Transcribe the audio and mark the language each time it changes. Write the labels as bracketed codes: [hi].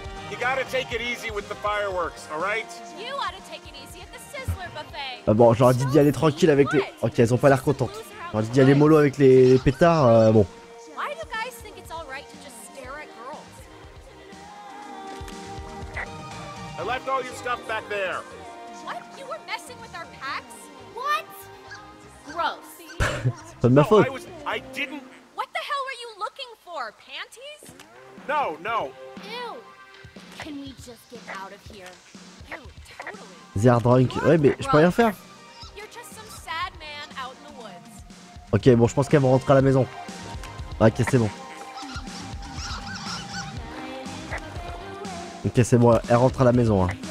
[en] You gotta take it easy with the fireworks, all right? You ought to take it easy at the Sizzler buffet. [fr] Bah bon, j'aurais dit d'y aller tranquille avec les. Ok, elles ont pas l'air contentes. J'aurais dit d'y aller mollo avec les pétards, bon. [en] Why do you guys think it's all right to just stare at girls? I left all your stuff back there. What? You were messing with our packs? What? Gross. [fr] C'est pas de ma faute. [en] I didn't. What the hell were you looking for? Panties? No. Ew. Can we just get out of here? Ew, totally. They are drunk. [fr] Ouais, mais je peux rien faire. [en] You're just some sad man out in the woods. [fr] Ok, bon, je pense qu'elles vont rentrer à la maison. Ok, c'est bon. Ok, c'est bon, elles rentrent à la maison. Hein.